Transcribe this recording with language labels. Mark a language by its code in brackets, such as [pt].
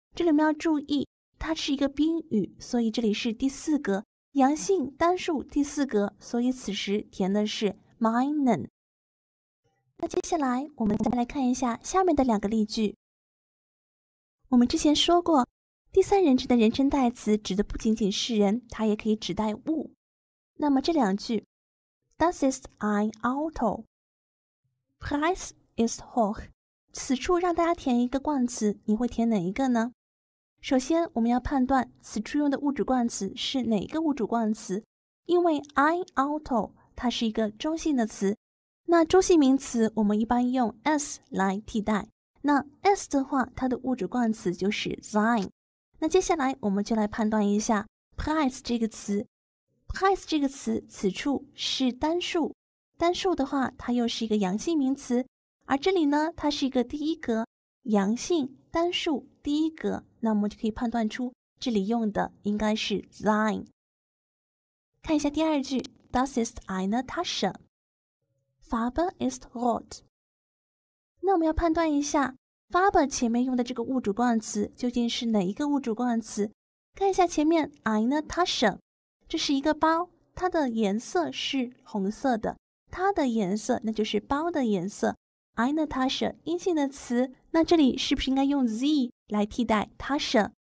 [zh] 这里我们要注意它是一个宾语，所以这里是第四格，阳性单数第四格，所以此时填的是 meinen。那接下来我们再来看一下下面的两个例句。我们之前说过，第三人称的人称代词指的不仅仅是人，它也可以指代物。那么这两句 [de] Das ist ein Auto, Preis ist hoch。 [zh] 此处让大家填一个冠词，你会填哪一个呢？首先我们要判断此处用的物主冠词是哪一个物主冠词，因为 [de] ein Auto [zh] 它是一个中性的词，那中性名词我们一般用 s 来替代，那 s 的话它的物主冠词就是 sein。那接下来我们就来判断一下 price 这个词， price 这个词此处是单数，单数的话它又是一个阳性名词，而这里呢它是一个第一格，阳性单数第一格，那我们就可以判断出这里用的应该是 sein。看一下第二句 [de] Das ist eine Tasche, Farbe ist rot。 [zh] 那我们要判断一下 Farbe 前面用的这个物主冠词究竟是哪一个物主冠词。看一下前面 [de] eine Tasche, [zh] 这是一个包，它的颜色是红色的，它的颜色那就是包的颜色。 [de] eine Tasche [zh] 阴性的词，那这里是不是应该用 z 来替代 Tasche？